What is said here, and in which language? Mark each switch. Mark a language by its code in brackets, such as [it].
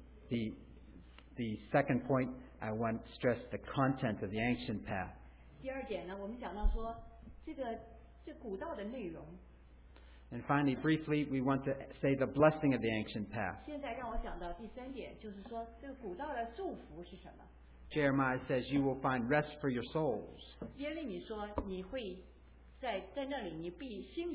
[en] the second point, I want to stress the content of the ancient path. [zh] 第二点呢, 我们讲到说, 这个古道的内容, [en] and finally, briefly, we want to say the blessing of the ancient path. [zh] 现在让我讲到第三点, 就是说, 这个古道的祝福是什么? [en] Jeremiah says, you will find rest for your souls. [zh] 耶利米说, 你会 在那里你必,